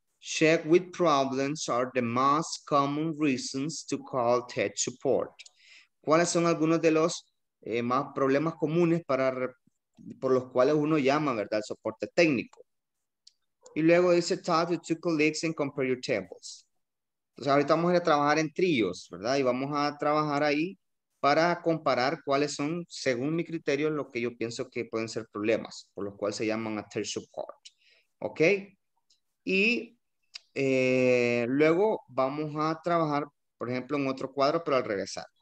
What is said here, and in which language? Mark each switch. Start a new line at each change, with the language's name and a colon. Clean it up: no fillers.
English: Check which problems are the most common reasons to call tech support.
Spanish: ¿Cuáles son algunos de los más problemas comunes para por los cuales uno llama, ¿verdad? El soporte técnico. Y luego dice,
English: talk to two colleagues and compare your tables.
Spanish: Entonces ahorita vamos a ir a trabajar en tríos, ¿verdad? Y vamos a trabajar ahí para comparar cuáles son, según mi criterio, lo que yo pienso que pueden ser problemas, por los cuales se llaman a tech support. ¿Ok? Y luego vamos a trabajar, por ejemplo, en otro cuadro, pero al regresar.